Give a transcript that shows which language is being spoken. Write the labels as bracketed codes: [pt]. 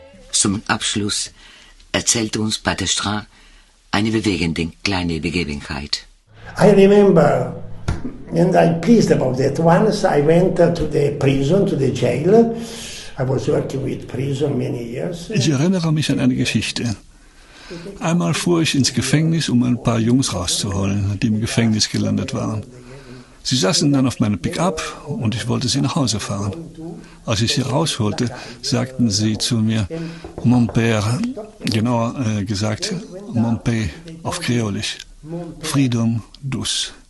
[de] Zum Abschluss erzählt uns Pater Stra eine bewegende kleine Begebenheit. [en] I remember, and I'm pleased about that. Once I went to the prison, to the jail. [de] Ich erinnere mich an eine Geschichte. Einmal fuhr ich ins Gefängnis, um ein paar Jungs rauszuholen, die im Gefängnis gelandet waren. Sie saßen dann auf meinem Pickup und ich wollte sie nach Hause fahren. Als ich sie rausholte, sagten sie zu mir, [fr] mon père, [de] genauer gesagt, mon père, auf Kreolisch, freedom dus.